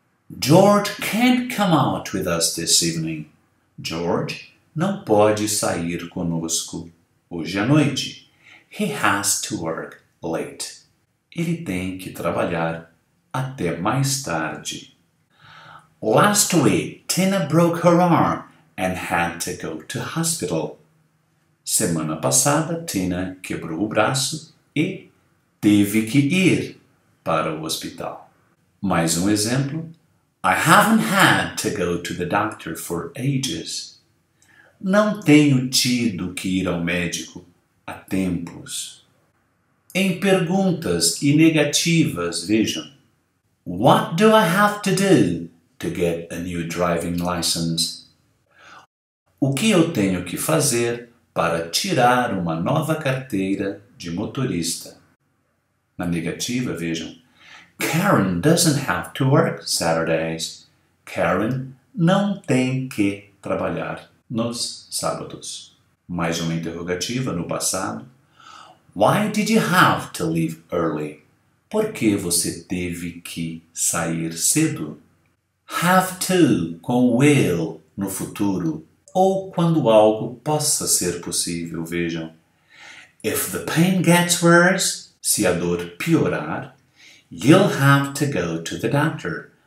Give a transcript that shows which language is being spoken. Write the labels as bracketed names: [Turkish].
[English] George can't come out with us this evening. [Portuguese] George não pode sair conosco hoje à noite. [English] He has to work late. [Portuguese] Ele tem que trabalhar até mais tarde. [English] Last week, Tina broke her arm and had to go to hospital. [Portuguese] Semana passada, Tina quebrou o braço e teve que ir para o hospital. Mais um exemplo. [English] I haven't had to go to the doctor for ages. [Portuguese] Não tenho tido que ir ao médico há tempos. Em perguntas e negativas, vejam. [English] What do I have to do to get a new driving license? O que eu tenho que fazer para tirar uma nova carteira de motorista? [Portuguese] Na negativa, vejam. [English] Karen doesn't have to work Saturdays. [Portuguese] Karen não tem que trabalhar nos sábados. Mais uma interrogativa no passado. [English] Why did you have to leave early? [Portuguese] Por que você teve que sair cedo? Have to com will no futuro ou quando algo possa ser possível, vejam. [English] If the pain gets worse, [Portuguese] se a dor piorar, [English] you'll have to go to the doctor.